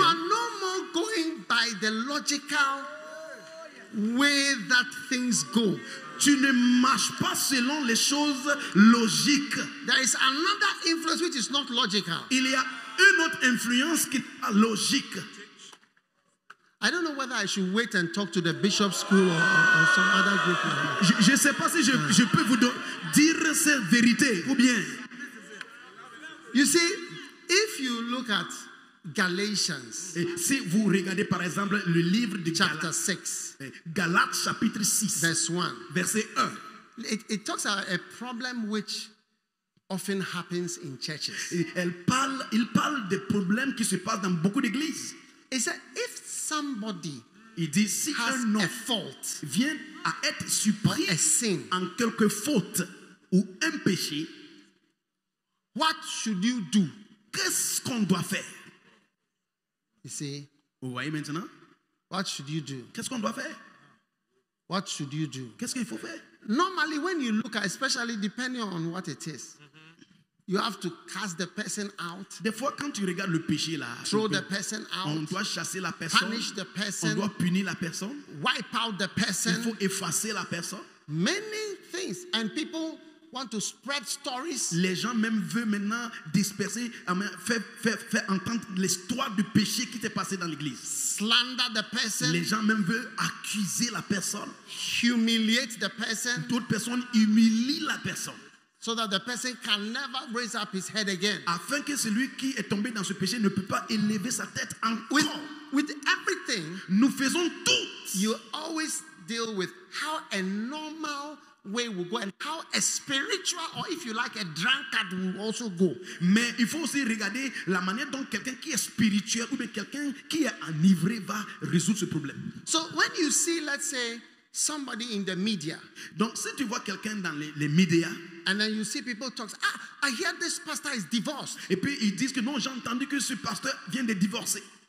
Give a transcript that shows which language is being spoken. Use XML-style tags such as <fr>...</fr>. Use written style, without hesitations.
<en>you are no more going by the logical way that things go.</en> <fr>Tu ne marches pas selon les choses logiques.</fr> <en>There is another influence which is not logical.</en> <fr>Il y a une autre influence qui n'est pas logique.</fr> <en>I don't know whether I should wait and talk to the bishop school or some other group.</en> <fr>Je ne sais pas si je peux vous dire cette vérité ou bien.</fr> <en>You see, if you look at Galatians,</en> <fr>si vous regardez par exemple le livre de</fr> <en>chapter 6,</en> <fr>Galates chapitre 6,</fr> <en>verse 1,</en> <fr>verset 1,</fr> <en>it talks about a problem which often happens in churches.</en> <fr>Il parle des problèmes qui se passent dans beaucoup d'églises.</fr> <en>He said, if somebody</en> <fr>dit, si</fr> <en>has</en> <fr>un</fr> <en>a fault,</en> <fr>vient à être surpris</fr> <en>a sin,</en> <fr>en quelque faute ou un péché,</fr> <en>what should you do?</en> <fr>Qu'est-ce qu'on doit faire?</fr> <en>You see?</en> <fr>Vous voyez maintenant?</fr> <en>What should you do?</en> <fr>Qu'est-ce qu'on doit faire?</fr> <en>What should you do?</en> <fr>Qu'est-ce qu'il faut faire?</fr> <en>Normally, when you look at, especially depending on what it is, you have to cast the person out.</en> <fr>Des fois, quand tu regardes le péché là,</fr> <en>throw the person out.</en> <fr>On doit chasser la personne.</fr> <en>Punish the person.</en> <fr>On doit punir la personne.</fr> <en>Wipe out the person.</en> <fr>Il faut effacer la personne.</fr> <en>Many things, and people want to spread stories.</en> <fr>Les gens même veulent maintenant disperser, faire entendre l'histoire du péché qui t'est passé dans l'église.</fr> <en>Slander the person.</en> <fr>Les gens même veulent accuser la personne.</fr> <en>Humiliate the person.</en> <fr>Toute personne humilie la personne.</fr> <en>So that the person can never raise up his head again.</en> <fr>Afin que celui qui est tombé dans ce péché ne peut pas élever sa tête encore.</fr> <en>With everything,</en> <fr>nous faisons tout.</fr> <en>You always deal with how a normal way will go and how a spiritual or if you like a drunkard will also go.</en> <fr>Mais il faut aussi regarder la manière dont quelqu'un qui est spirituel ou bien quelqu'un qui est enivré va résoudre ce problème.</fr> <en>So when you see, let's say, somebody in the media.</en> <fr>Donc si tu vois quelqu'un dans les médias.</fr> <en>And then you see people talk. Ah, I hear this pastor is divorced.</en> <fr>Et puis ils disent que non, j'ai entendu que ce pasteur vient de divorcer.</fr>